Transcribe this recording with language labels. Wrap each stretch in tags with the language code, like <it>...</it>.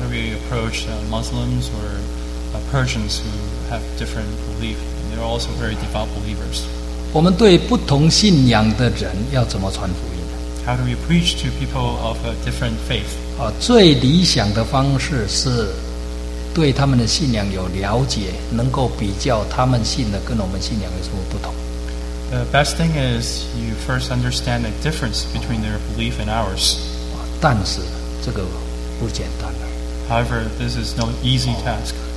<zh>是</zh> <en>Muslims or Persians who have different belief. They're also very devout believers.</en> <zh>我们对不同信仰的人要怎么传福音?</zh> <en>How do we preach to people of a different faith?</en> <zh>最理想的方式是对他们的信仰有了解，能够比较他们信的跟我们信仰有什么不同。</zh> <en>The best thing is you first understand the difference between their belief and ours.</en> <zh>但是这个不简单的。</zh> <en>However, this is no easy task.</en>